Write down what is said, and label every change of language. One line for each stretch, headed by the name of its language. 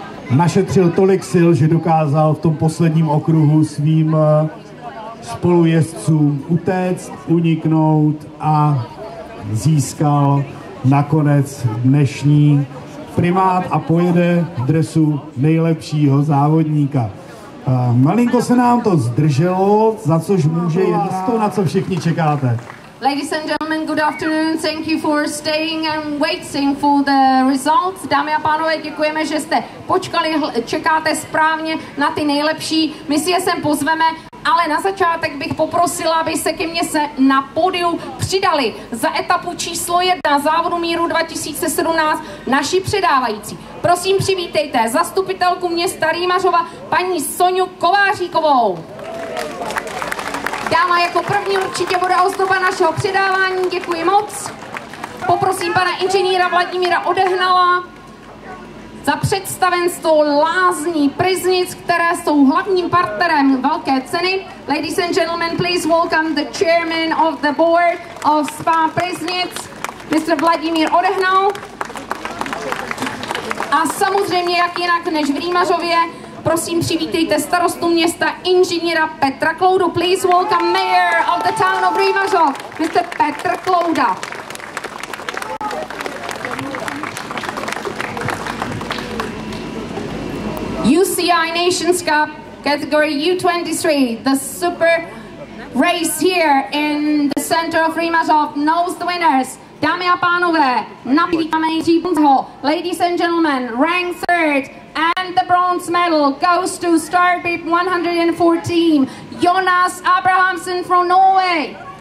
Czech: našetřil tolik sil, že dokázal v tom posledním okruhu svým spolujezdcům utéct, uniknout a získal nakonec dnešní primát a pojede v dresu nejlepšího závodníka. Malinko se nám to zdrželo, za což může jít to, na co všichni čekáte.
English: Ladies and gentlemen, good afternoon. Thank you for staying and waiting for the results.
Czech: Dámy a pánové, děkujeme, že jste počkali, čekáte správně na ty nejlepší. My si je sem pozveme, ale na začátek bych poprosila, aby se ke mně se na pódium přidali za etapu číslo 1 závodu míru 2017 naši předávající. Prosím, přivítejte zastupitelku města Rýmařova, paní Soňu Kovaříkovou. Dáma jako první určitě bude ozdoba našeho předávání, děkuji moc. Poprosím pana inženýra Vladimíra Odehnala za představenstvo Lázní Pryznic, které jsou hlavním partnerem velké ceny.
English: Ladies and gentlemen, please welcome the chairman of the board of Spa Pryznic, Mr. Vladimír Odehnal.
Czech: A samozřejmě, jak jinak než v Rýmařově, prosím, přivítejte starostu města, inženýra Petra Cloudu.
English: Please welcome mayor of the town of Rýmařov, Mr. Petr Clouda. UCI Nations Cup, category U23, the super race here in the center of Rýmařov, knows the winners.
Czech: Dámy a pánové, napítáme jejího.
English: Ladies and gentlemen, rank third. And the bronze medal goes to Startbeep 114, Jonas Abrahamsen from Norway.